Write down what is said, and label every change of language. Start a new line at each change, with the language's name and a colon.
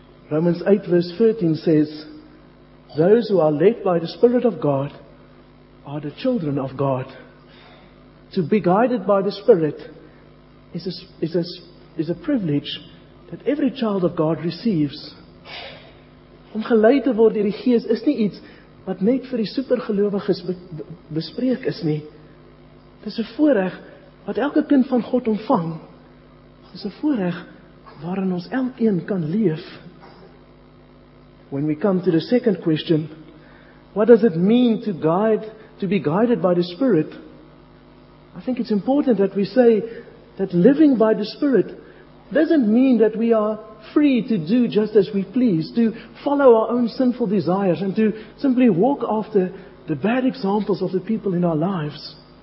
English: Romans 8 verse 13 says, those who are led by the Spirit of God are the children of God. To be guided by the Spirit is a privilege that every child of God receives.
Afrikaans: Om geleid te word deur die Gees is nie iets wat net vir die supergelowiges bespreek is nie. Dis 'n voorreg wat elke kind van God ontvang. Dis 'n voorreg waarin ons elkeen kan leef.
English: When we come to the second question, what does it mean to be guided by the Spirit? I think it's important that we say that living by the Spirit doesn't mean that we are free to do just as we please, to follow our own sinful desires and to simply walk after the bad examples of the people in our lives.